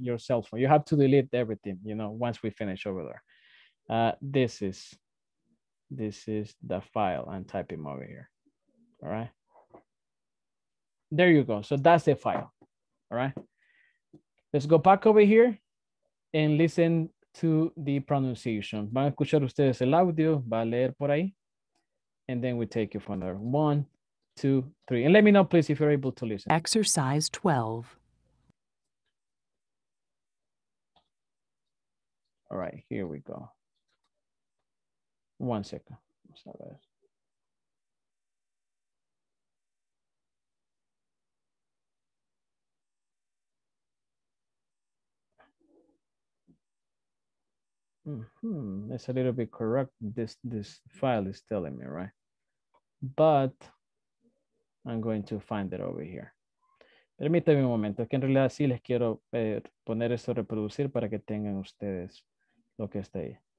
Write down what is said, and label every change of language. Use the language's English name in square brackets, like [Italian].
[English] Your cell phone. You have to delete everything, you know, once we finish over there. This is the file I'm typing over here. All right. There you go. So that's the file. All right. Let's go back over here and listen to the pronunciation. [Spanish] Van a escuchar ustedes el audio, va a leer por ahí. [English] And then we take it from there. 1, 2, 3. And let me know, please, if you're able to listen. Exercise 12. All right, here we go. 1 second. It's a little bit corrupt. This file is telling me, right? But I'm going to find it over here. [Spanish] Permítame un momento, que en realidad sí les quiero poner esto a reproducir para que tengan ustedes lo que está ahí.